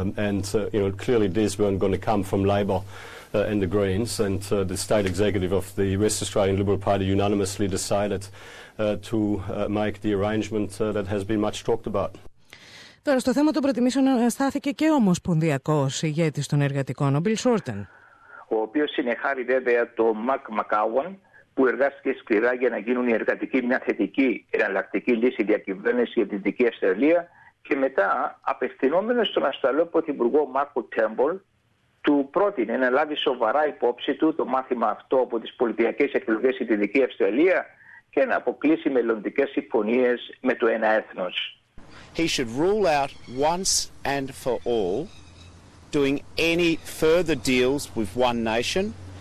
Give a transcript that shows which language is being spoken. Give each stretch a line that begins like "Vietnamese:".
English: And you know, clearly these weren't going to come from Labour and the Greens. And the state executive of the West Australian Liberal Party unanimously decided to make the arrangement that has been much talked about.
Greek: Τώρα, στο θέμα των προτιμήσεων στάθηκε και ο ομοσπονδιακός ηγέτης των εργατικών, ο Bill Shorten. Ο οποίος συνεχάρει βέβαια το Mark McGowan, που εργάστηκε σκληρά για να γίνουν οι εργατικοί μια θετική εναλλακτική λύση διακυβέρνηση για τη Δυτική Αυστραλία, και μετά, απευθυνόμενος στον Αυστραλό Πρωθυπουργό Μάρκο Τέμπολ, του πρότεινε να λάβει σοβαρά υπόψη του το μάθημα αυτό από τις πολιτιακές εκλογές στη Δυτική Αυστραλία και να αποκλείσει μελλοντικές συμφωνίες με το Ένα Έθνος.
English: He should rule out once and for all doing any further deals with One Nation.